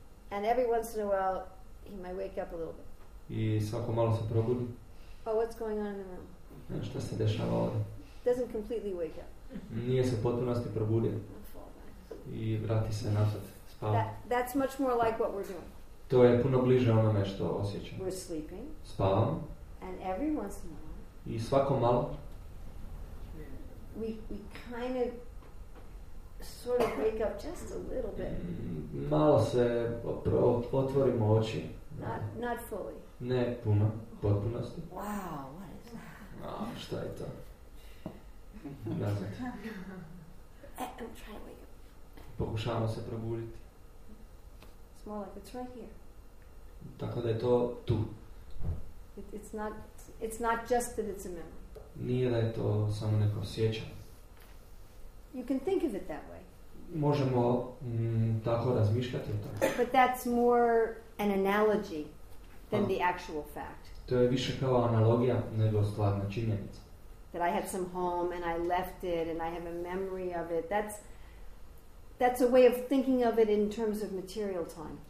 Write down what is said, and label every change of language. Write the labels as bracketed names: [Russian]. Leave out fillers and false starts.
[English] And every once in a while he might wake up a little bit. [Croatian] I svako malo se probudi. [English] Oh, what's going on in the room? [Croatian] Šta se dešava ovdje? [English] Doesn't completely wake up. [Croatian] Nije se potpunosti probudio. I vrati se nazad, spava. [English] That's much more like what we're doing. [Croatian] To je puno bliže onome što osjećam. [English] We're sleeping. [Croatian] Spavam. [English] And every once in a while. [Croatian] I svako malo. [English] We kind of sort of wake up just a little bit. [Croatian] Malo se otvorimo oči. [English] Not fully. [Croatian] Ne puno, potpunosti. [English] Wow, what is that? [Croatian] Oh, šta je to? [English] I'm trying to wake up. [Croatian] Pokušavamo se probuditi. [English] It's more like it's right here. [Croatian] Tako da je to tu. [English] It's not just that it's a memory. [Croatian] Nije da je to samo neko sjećanje. [English] You can think of it that way. [Croatian] Možemo tako razmišljati o tome. [English] But that's more an analogy than the actual fact. [Croatian] To je više kao analogija nego stvarna činjenica. [English] That I had some home and I left it and I have a memory of it. That's a way of thinking of it in terms of material time.